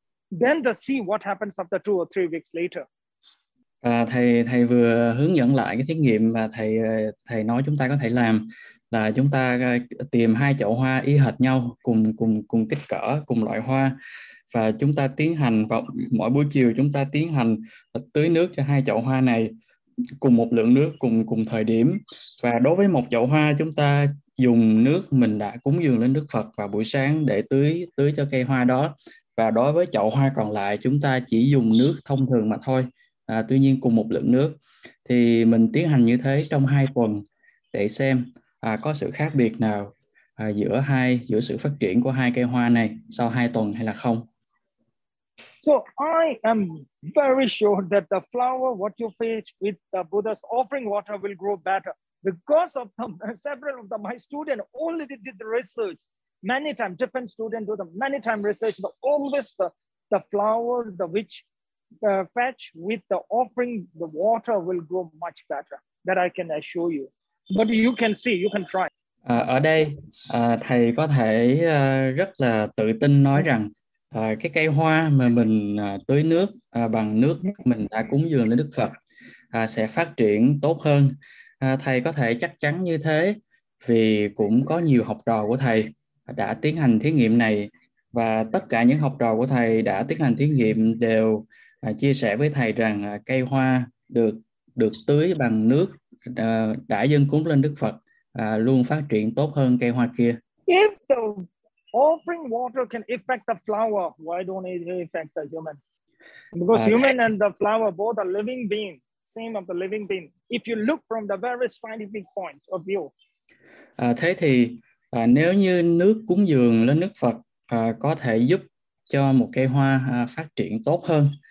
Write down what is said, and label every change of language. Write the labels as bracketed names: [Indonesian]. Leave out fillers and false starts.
[English] Then the see what happens after 2 or 3 weeks later. [Vietnamese] Thầy vừa hướng dẫn lại cái thí nghiệm mà thầy nói chúng ta có thể làm. Là chúng ta tìm hai chậu hoa y hệt nhau, cùng kích cỡ, cùng loại hoa. Và chúng ta tiến hành, vào mỗi buổi chiều chúng ta tiến hành tưới nước cho hai chậu hoa này cùng một lượng nước, cùng thời điểm. Và đối với một chậu hoa chúng ta dùng nước mình đã cúng dường lên Đức Phật vào buổi sáng để tưới cho cây hoa đó. Và đối với chậu hoa còn lại chúng ta chỉ dùng nước thông thường mà thôi. Tuy nhiên cùng một lượng nước. Thì mình tiến hành như thế trong 2 tuần để xem có sự khác biệt nào giữa sự phát triển của hai cây hoa này sau 2 tuần hay là không. [English] So I am very sure that the flower what you fetch with the Buddha's offering water will grow better because of several of my students already did the research many times, different students do the many time research, but always the flower the which fetch with the offering the water will grow much better, that I can assure you. But you can see, you can try. [Vietnamese] Ở đây, thầy có thể rất là tự tin nói rằng cái cây hoa mà mình tưới nước bằng nước mình đã cúng dường lên Đức Phật sẽ phát triển tốt hơn. Thầy có thể chắc chắn như thế vì cũng có nhiều học trò của thầy đã tiến hành thí nghiệm này và tất cả những học trò của thầy đã tiến hành thí nghiệm đều chia sẻ với thầy rằng cây hoa được tưới bằng nước đã dâng cúng lên Đức Phật luôn phát triển tốt hơn cây hoa kia. [English] If the offering water can affect the flower, why don't it affect the human? Because human and the flower both are living being, same of the living being. If you look from the very scientific point of view. [Vietnamese] Thế thì nếu như nước cúng dường lên Đức Phật có thể giúp cho một cây hoa phát triển tốt hơn.